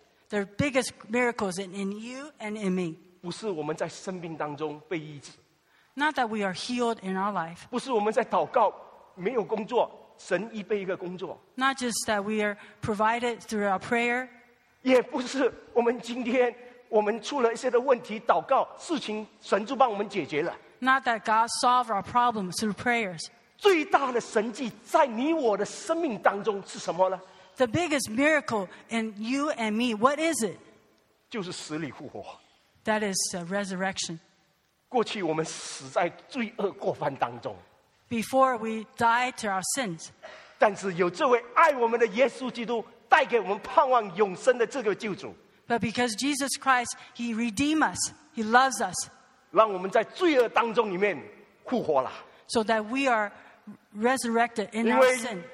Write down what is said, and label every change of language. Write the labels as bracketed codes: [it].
[en] the biggest miracles in you and in me. [zh] 不是我们在生病当中被医治, [en] Not that we are healed in our life. [zh] 不是我们在祷告没有工作，神预备一个工作。 [en] Not just that we are provided through our prayer. [zh] 也不是我们今天我们出了一些的问题，祷告事情神就帮我们解决了。 [en] Not that God solved our problems through prayers. [zh] 最大的神迹在你我的生命当中是什么呢？ [en] The biggest miracle in you and me, what is it? [zh] 就是死里复活。 [en] That is a resurrection. [zh] 过去我们死在罪恶过犯当中。 [en] Before we die to our sins. [zh] 但是有这位爱我们的耶稣基督带给我们盼望永生的这个救主。 [en] But because Jesus Christ, He redeemed us. He loves us. [zh] 让我们在罪恶当中里面复活了。 [en] So that we are resurrected in our sin.